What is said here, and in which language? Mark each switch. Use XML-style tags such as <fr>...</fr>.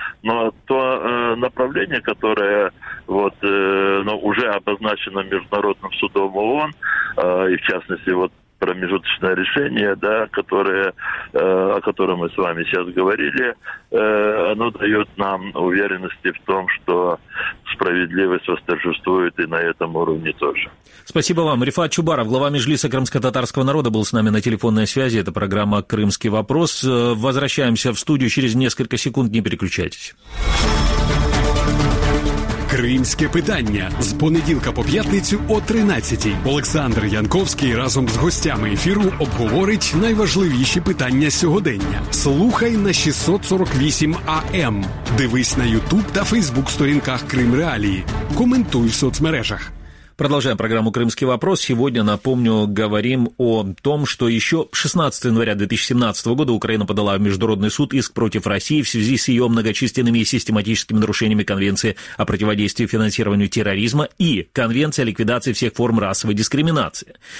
<ru>Но то направление, которое уже обозначено Международным судом ООН, и в частности вот промежуточное решение, да, которое, о котором мы с вами сейчас говорили, оно дает нам уверенности в том, что справедливость восторжествует и на этом уровне тоже. Спасибо вам. Рифат Чубаров, глава Меджлиса крымско-татарского народа, был с нами на телефонной связи. Это программа «Крымский вопрос». Возвращаемся в студию через несколько секунд. Не переключайтесь.</ru> <uk>«Крымське питання» з понеділка по п'ятницю о 13:00. Олександр Янковський разом з гостями ефіру обговорить найважливіші питання сьогодення. Слухай на 648 АМ. Дивись на YouTube та Facebook сторінках «Крим Реалії». Коментуй в соцмережах.</uk> <ru>Продолжаем программу «Крымский вопрос». Сегодня, напомню, говорим о том, что еще 16 января 2017 года Украина подала в Международный суд иск против России в связи с ее многочисленными и систематическими нарушениями Конвенции о противодействии финансированию терроризма и Конвенции о ликвидации всех форм расовой дискриминации.</ru>